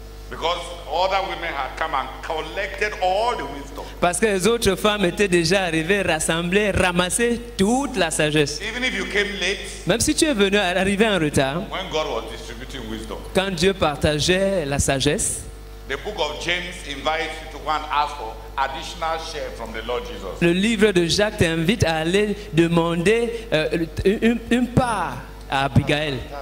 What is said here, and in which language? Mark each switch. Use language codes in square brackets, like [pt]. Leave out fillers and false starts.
[en] Because other women had come and collected all the wisdom. [fr] Parce que les autres femmes étaient déjà arrivées, rassemblées, ramassées toute la sagesse. [en] Even if you came late, [fr] même si tu es venu arrivé en retard, [en] when God was distributing wisdom, [fr] quand Dieu partageait la sagesse, [en] the book of James invites you to go and ask for additional share from the Lord Jesus. [fr] Le livre de Jacques t'invite à aller demander une part à Abigail.